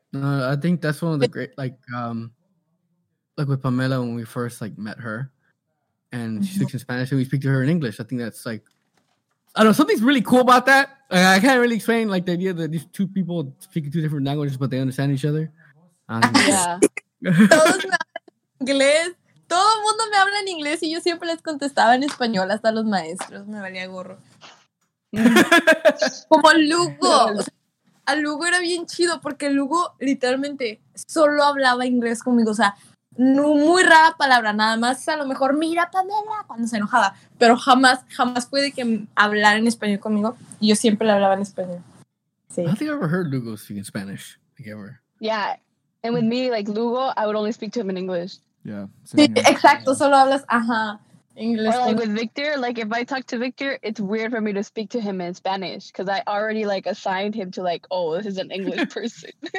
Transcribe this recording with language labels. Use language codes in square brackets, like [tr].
[en] I think that's one of the great, like with Pamela when we first like met her, and she speaks in Spanish, and we speak to her in English. I think that's like, I don't know, something's really cool about that. Like, I can't really explain like the idea that these two people speak two different languages, but they understand each other. Yeah. [es] Todo el mundo me habla en inglés y yo siempre les contestaba en español hasta los maestros. Me valía gorro. Como Lugo. O sea, a Lugo era bien chido porque Lugo literalmente solo hablaba inglés conmigo. O sea, no, muy rara palabra. Nada más a lo mejor, mira Pamela, cuando se enojaba. Pero jamás, jamás puede que hablar en español conmigo. Y yo siempre le hablaba en español. [en] Sí. I don't think I ever heard Lugo speak in Spanish. Like ever. Yeah. And with me, like Lugo, I would only speak to him in English. Yeah. [es] Sí, exacto, solo hablas, ajá, English. [en] Or like with Victor, like if I talk to Victor, it's weird for me to speak to him in Spanish because I already like assigned him to like, oh, this is an English person.